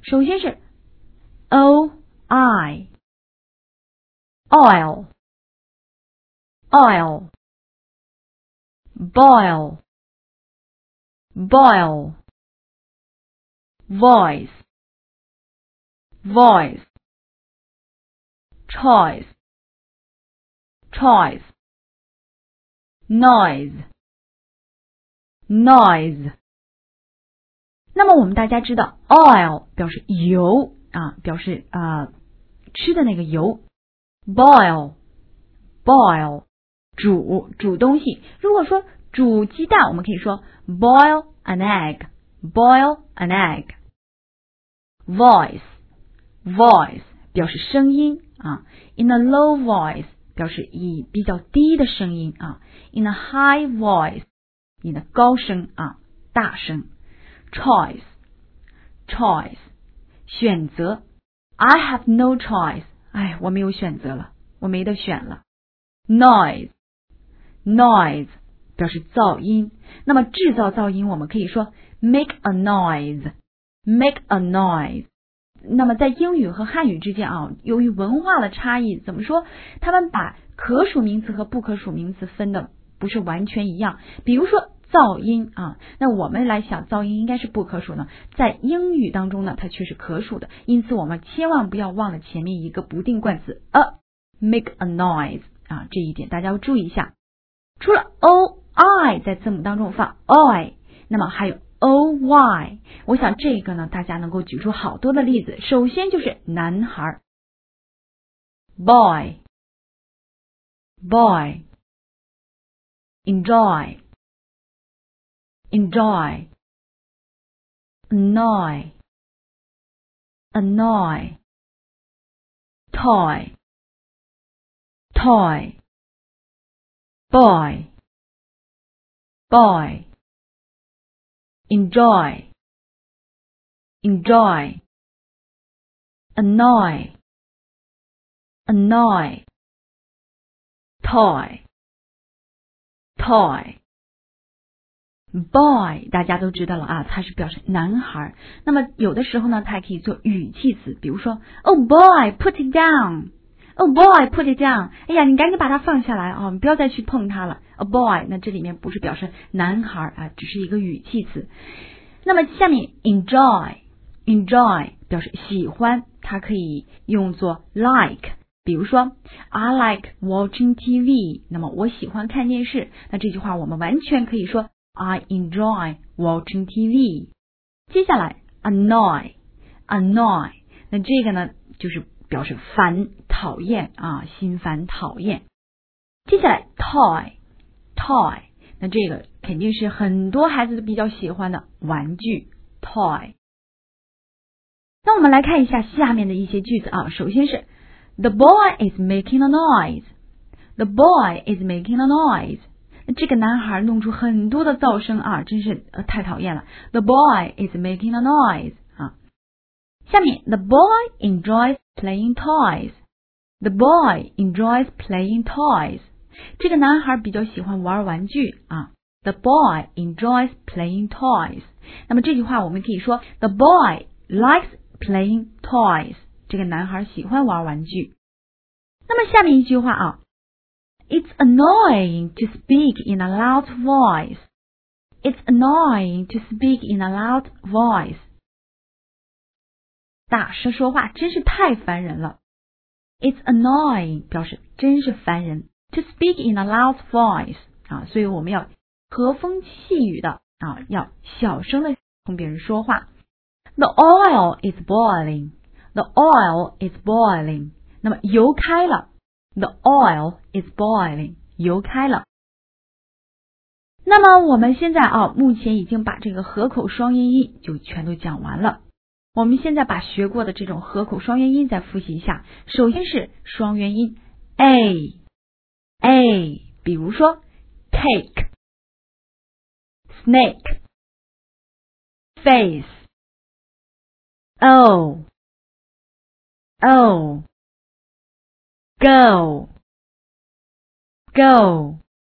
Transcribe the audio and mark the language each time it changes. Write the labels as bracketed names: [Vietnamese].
[Chinese] 首先是 [English] o i oil oil boil boil voice voice choice choice noise noise。 [Chinese] 那么我们大家知道 oil 表示油啊，表示吃的那个油 ，boil boil 煮东西。如果说煮鸡蛋，我们可以说 [English] boil an egg boil an egg。 [Chinese] voice voice 表示声音啊 ， [English] in a low voice [Chinese] 表示以比较低的声音啊 ， [English] in a high voice [Chinese] 你的高声啊大声。 choice choice 选择。 [English] I have no choice. [Chinese] 哎，我没有选择了，我没得选了。 [English] Noise, noise [Chinese] 表示噪音。那么制造噪音，我们可以说 [English] make a noise, make a noise。 [Chinese] 那么在英语和汉语之间啊，由于文化的差异，怎么说？他们把可数名词和不可数名词分的不是完全一样。比如说噪音啊，那我们来想噪音应该是不可数呢，在英语当中呢它却是可数的，因此我们千万不要忘了前面一个不定冠词 [English] a make a noise [Chinese] 啊，这一点大家要注意一下。除了 oi 在字母当中发 oi， 那么还有 oy， 我想这个呢大家能够举出好多的例子。首先就是男孩 boy boy [English] enjoyenjoy annoy annoy toy toy boy boy enjoy enjoy annoy annoy toy toyboy [Chinese] 大家都知道了啊，它是表示男孩。那么有的时候呢它还可以做语气词，比如说 [English] oh boy put it down [Chinese] oh boy put it down， 哎呀你赶紧把它放下来啊，你不要再去碰它了。 oh boy 那这里面不是表示男孩啊，只是一个语气词。那么下面 enjoy enjoy 表示喜欢，它可以用作 like，比如说 [English] I like watching TV， [Chinese] 那么我喜欢看电视，那这句话我们完全可以说 [English] I enjoy watching TV。 [Chinese] 接下来 annoy annoy， 那这个呢就是表示烦讨厌啊，心烦讨厌。接下来 toy toy， 那这个肯定是很多孩子都比较喜欢的玩具 toy。那我们来看一下下面的一些句子啊，首先是 [English] The boy is making a noise [Chinese] The boy is making a noise，这个男孩弄出很多的噪声啊，真是太讨厌了。 [English] The boy is making a noise 啊。 [Chinese] 下面 [English] The boy enjoys playing toys. The boy enjoys playing toys. [Chinese] 这个男孩比较喜欢玩玩具啊。 [English] The boy enjoys playing toys. [Chinese] 那么这句话我们可以说 [English] The boy likes playing toys. [Chinese] 这个男孩喜欢玩玩具。那么下面一句话啊， [English] It's annoying to speak in a loud voice. It's annoying to speak in a loud voice. [Chinese] 大声说话真是太烦人了。 [English] It's annoying [Chinese] 表示真是烦人。 [English] To speak in a loud voice [Chinese] 啊，所以我们要和风细雨的啊，要小声的跟别人说话。 [English] The oil is boiling. The oil is boiling. [Chinese] 那么油开了。 [English] The oil is boiling, [Chinese] 油开了。那么我们现在啊，目前已经把这个合口双元音就全都讲完了。我们现在把学过的这种合口双元音再复习一下。首先是双元音 A， A， 比如说 cake， snake， face， O， O， go， go。